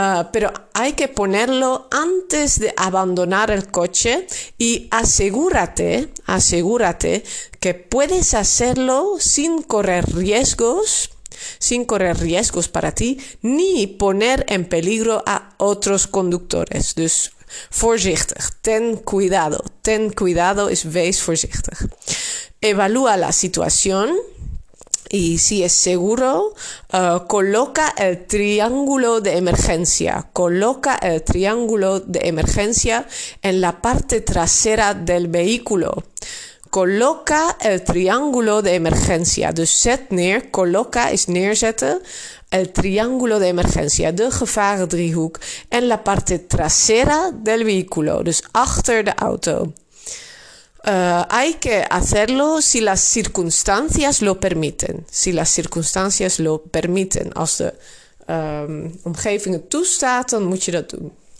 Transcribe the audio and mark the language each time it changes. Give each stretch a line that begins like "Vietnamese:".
Spanish: Pero hay que ponerlo antes de abandonar el coche. Y asegúrate que puedes hacerlo sin correr riesgos para ti, ni poner en peligro a otros conductores.
Dutch: Dus voorzichtig.
Spanish: Ten cuidado
Dutch: is wees voorzichtig.
Spanish: Evalúa la situación y si es seguro, coloca el triángulo de emergencia en la parte trasera del vehículo. Coloca el triángulo de emergencia.
Dutch: Dus zet neer.
Spanish: Coloca
Dutch: is neerzetten.
Spanish: El triángulo de emergencia.
Dutch: De gevarendriehoek.
Spanish: En la parte trasera del vehículo.
Dutch: Dus achter de auto.
Spanish: Hay que hacerlo si las circunstancias lo permiten. Si las circunstancias lo permiten.
Dutch: Als de omgeving het toestaat, dan moet je dat doen.